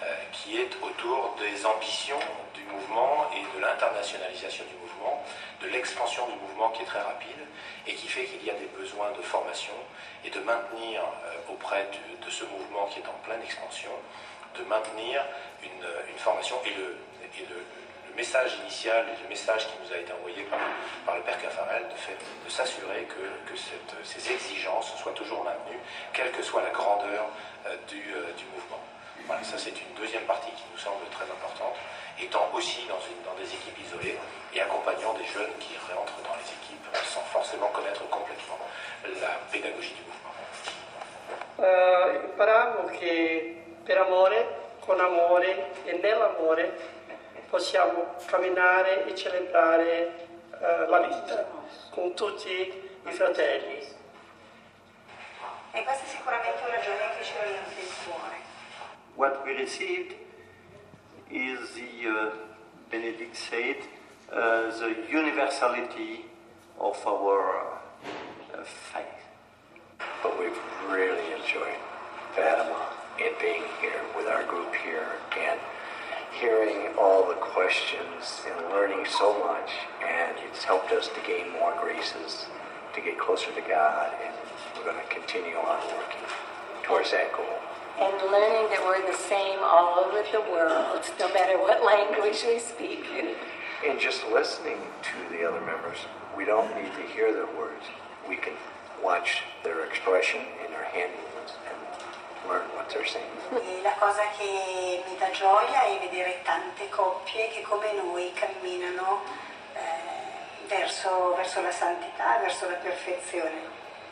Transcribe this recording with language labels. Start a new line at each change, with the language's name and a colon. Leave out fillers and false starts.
French: qui est autour des ambitions du mouvement et de l'internationalisation du mouvement, de l'expansion du mouvement qui est très rapide et qui fait qu'il y a des besoins de formation et de maintenir auprès de ce mouvement qui est en pleine expansion, de maintenir une formation Le message initial et le message qui nous a été envoyé par le père Caffarel de s'assurer que ces exigences soient toujours maintenues, quelle que soit la grandeur du mouvement. Voilà, ça c'est une deuxième partie qui nous semble très importante, étant aussi dans des équipes isolées et accompagnant des jeunes qui réentrent dans les équipes sans forcément connaître complètement la pédagogie du mouvement.
Italian: Imparavo che per amore con amore e nell'amore possiamo camminare e celebrare la vita con tutti i fratelli. E questa è sicuramente una ragione che ci riempie il cuore.
English: What we received is the Benedict said, the universality of our faith. But we've really enjoyed Fatima and being here with our group here and hearing all the questions and learning so much, and it's helped us to gain more graces, to get closer to God, and we're going to continue on working towards that goal. And learning that we're the same all over the world, no matter what language we speak in. And just listening to the other members, we don't need to hear their words. We can watch their expression and their hand movements and learn what they're saying.
Italian: La cosa che mi dà gioia è vedere tante coppie che come noi camminano verso la santità, verso la perfezione.